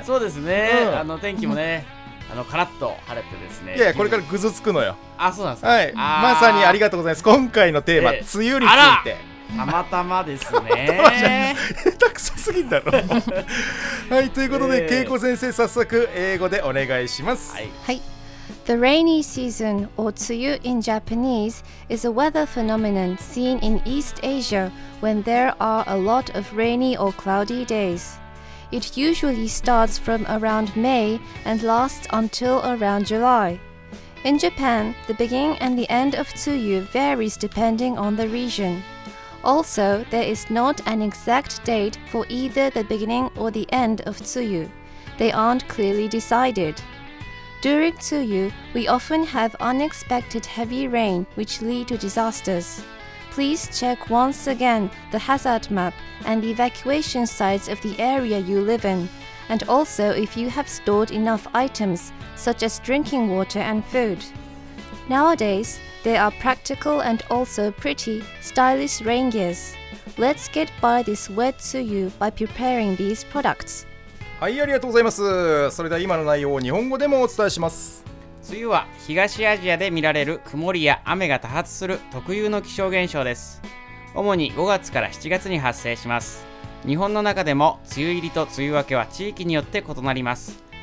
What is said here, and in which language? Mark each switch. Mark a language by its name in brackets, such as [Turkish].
[Japanese] そうですね、あの天気もね、あのカラッと晴れてですね。いや、これからぐずつくのよ。あ、そうなんですか。はい、まさにありがとうございます。今回のテーマ、梅雨について。たまたまですね。たまたまじゃん。下手くそすぎんだろ。はい、ということで、恵子先生、早速英語でお願いします。はい、はい。 [English] The rainy season, or tsuyu in Japanese, is a weather phenomenon seen in East Asia when there are a lot of rainy or cloudy days. It usually starts from around May and lasts until around July. In Japan, the beginning and the end of tsuyu varies depending on the region. Also, there is not an exact date for either the beginning or the end of tsuyu. They aren't clearly decided. During tsuyu, we often have unexpected heavy rain which lead to disasters. Please check once again the hazard map and the evacuation sites of the area you live in, and also if you have stored enough items, such as drinking water and food. Nowadays, there are practical and also pretty, stylish rain gears. Let's get by this wet tsuyu by preparing these products. [Japanese] はい、ありがとうございます。それでは今の内容を日本語でもお伝えします。梅雨は東アジアで見られる曇りや雨が多発する特有の気象現象です。主に5月から7月に発生します。日本の中でも梅雨入りと梅雨明けは地域によって異なります。